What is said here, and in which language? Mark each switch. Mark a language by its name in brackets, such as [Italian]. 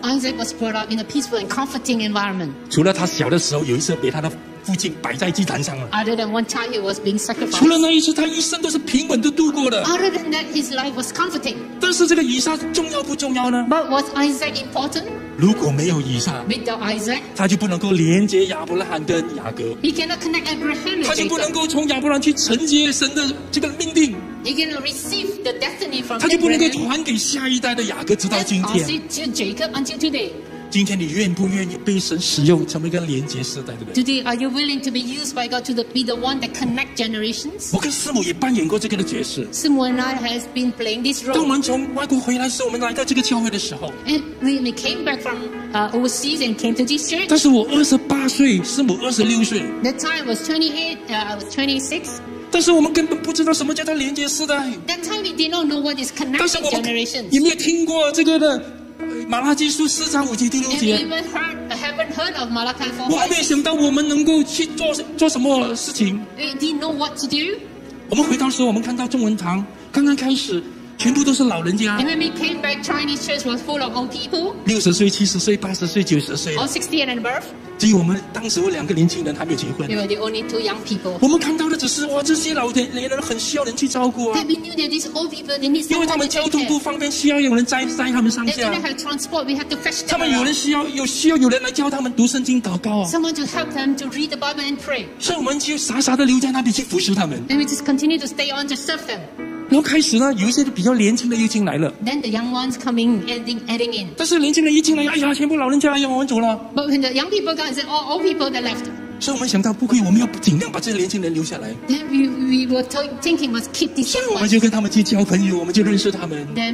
[English] Isaac was brought up in a peaceful and comforting environment. [Chinese] 除了他小的时候有一次被他的 父亲摆在祭坛上了。 [English] Other than one time he was being sacrificed. [Chinese] 除了那一次，他一生都是平稳的度过的。 [English] Other than that, his life was comforting. [Chinese] 但是这个以撒重要不重要呢？ [English] But was Isaac important? [Chinese] 如果没有以撒， [English] Without Isaac, [Chinese] 他就不能够连接亚伯拉罕跟雅各。 [English] He cannot connect Abraham. [Chinese] 他就不能够从亚伯拉罕去承接神的这个命定。 [English] He cannot receive the destiny from. [Chinese] 他就不能够传给下一代的雅各，直到今天。 [English] Or to Jacob until today. [Chinese] 今天你愿不愿意被神使用成为一个连接世代的人？ [English] Today, are you willing to be used by God to be the one that connect generations? [Chinese] 我跟师母也扮演过这个的角色。 [English] Simu and I has been playing this role. [Chinese] 当我们从外国回来时，我们来到这个教会的时候， [English] And we came back from overseas and came to this church. [Chinese] 但是我28岁，师母26岁。 [English] The time was 28, I was 26. [Chinese] 但是我们根本不知道什么叫做连接世代。 [English] That time we did not know what is connecting generations. [Chinese] 有没有听过这个的？马拉基书4:5-6. [English] Malachi 4:5. [Chinese] 我还没想到我们能够去做什么事情。 [English] We didn't know what to do. [Chinese] 我们回到时候，我们看到中文堂刚刚开始，全部都是老人家。 [English] And when we came back, Chinese church was full of old people. [Chinese] 60岁、70岁、80岁、90岁。 [English] Or 60 and above. [Chinese] 只有我们当时有两个年轻人还没有结婚。 [English] We were the only two young people. [Chinese] 我们看到的只是哇，这些老年人很需要人去照顾啊。 [English] That we knew that these old people they need someone to take care. [Chinese] 因为他们交通不方便，需要有人载他们上下。 [English] They don't have transport. We have to fetch them. [Chinese] 他们有人需要，有需要有人来教他们读圣经祷告啊。 [English] Someone to help them to read the Bible and pray. [Chinese] 所以我们就傻傻的留在那里去服侍他们。 [English] And we just continue to stay on to serve them. [Chinese] 然后开始呢，有一些比较年轻的又进来了。 [English] Then the young ones coming and adding in. [Chinese] 但是年轻人一进来，哎呀，全部老人家，哎呀，我们走了。 [English] But when the young people come, they say, "Oh, old people they left." [Chinese] 所以我们想到，不可以，我们要尽量把这些年轻人留下来。 [English] Then we were thinking must keep these. [Chinese] 所以我们就跟他们去交朋友，我们就认识他们。 [English] Then